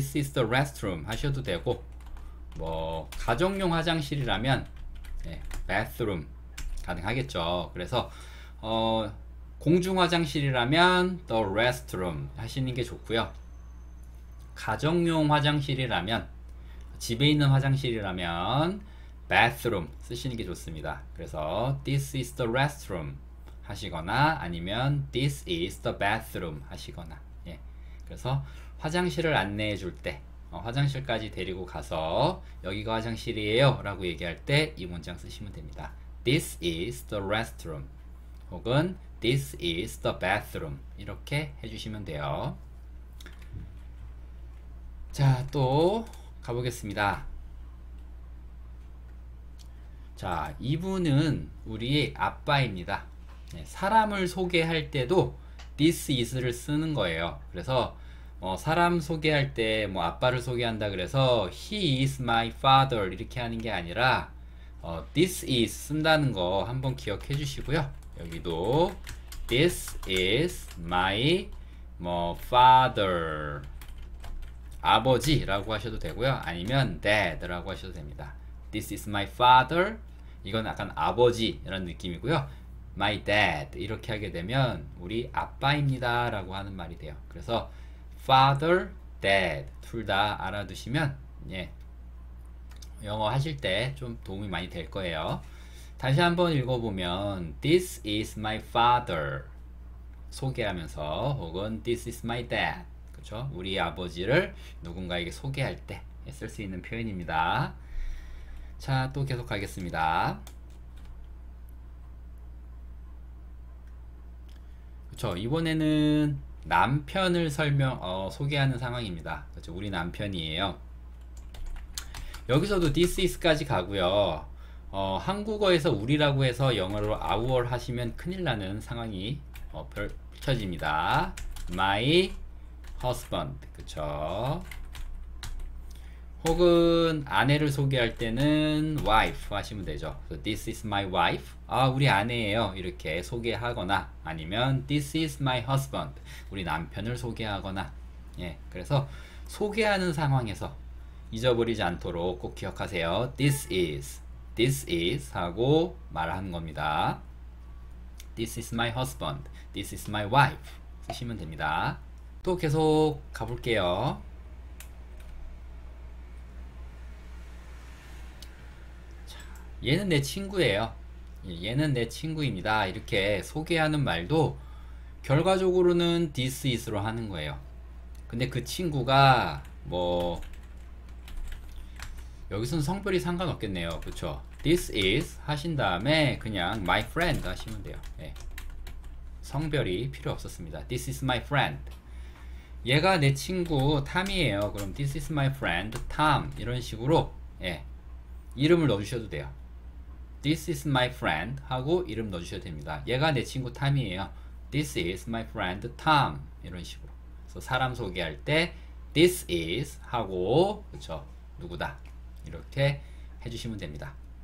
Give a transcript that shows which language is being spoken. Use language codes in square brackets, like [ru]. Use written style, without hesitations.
[en] This is the restroom [ko] 하셔도 되고 뭐 가정용 화장실이라면 예, bathroom 가능하겠죠. 그래서 공중화장실이라면 the restroom 하시는 게 좋고요. 가정용 화장실이라면 집에 있는 화장실이라면 bathroom 쓰시는 게 좋습니다. [en] 그래서 this is the restroom [ko] 하시거나 아니면 [en] this is the bathroom 하시거나 예. [ko] 그래서 화장실을 안내해 줄 때, 화장실까지 데리고 가서 여기가 화장실이에요라고 얘기할 때이 문장 쓰시면 됩니다. [en] This is the restroom 혹은 This is the bathroom. [ko] 이렇게 해주시면 돼요. 자, 또 가보겠습니다. 자, 이분은 우리의 아빠입니다. 사람을 소개할 때도 this is를 쓰는 거예요. 그래서 사람 소개할 때뭐 아빠를 소개한다 그래서 [en] he is my father [ko] 이렇게 하는 게 아니라 this is 쓴다는 거 한번 기억해 주시고요. 여기도 [en] This is my father [ko] 아버지라고 하셔도 되고요. 아니면 dad라고 하셔도 됩니다. [en] This is my father. [ko] 이건 약간 아버지라는 느낌이고요. My dad 이렇게 하게 되면 우리 아빠입니다라고 하는 말이 돼요. 그래서 father, dad 둘다 알아두시면 예 영어 하실 때좀 도움이 많이 될 거예요. 다시 한번 읽어보면 [en] This is my father. [ko] 소개하면서 혹은 [en] This is my dad. [ko] 그렇죠? 우리 아버지를 누군가에게 소개할 때쓸수 있는 표현입니다. 자, 또 계속 가겠습니다. 그렇죠? 이번에는 남편을 소개하는 상황입니다. 그렇죠? 우리 남편이에요. 여기서도 This is까지 가고요. 한국어에서 우리라고 해서 영어로 our 하시면 큰일 나는 상황이 펼쳐집니다. My husband. 그쵸? 혹은 아내를 소개할 때는 wife 하시면 되죠. [en] So, this is my wife. [ko] 아, 우리 아내예요. 이렇게 소개하거나 아니면 [en] this is my husband. [ko] 우리 남편을 소개하거나. 예, 그래서 소개하는 상황에서 잊어버리지 않도록 꼭 기억하세요. This is 하고 말하는 겁니다. [en] This is my husband. This is my wife. [ko] 쓰시면 됩니다. 또 계속 가볼게요. 얘는 내 친구예요. 얘는 내 친구입니다. 이렇게 소개하는 말도 결과적으로는 this is로 하는 거예요. 근데 그 친구가 뭐 여기선 성별이 상관없겠네요. 그쵸? This is 하신 다음에 그냥 my friend 하시면 돼요. 예. 성별이 필요 없었습니다. [en] This is my friend. [ko] 얘가 내 친구 탐이에요. [en] 그럼 this is my friend Tom [ko] 이런 식으로 예. 이름을 넣어주셔도 돼요. [en] This is my friend [ko] 하고 이름 넣어주셔도 됩니다. 얘가 내 친구 탐이에요. [en] This is my friend Tom [ko] 이런 식으로. 그래서 사람 소개할 때 this is 하고 그쵸? 누구다? 이렇게 해주시면 됩니다.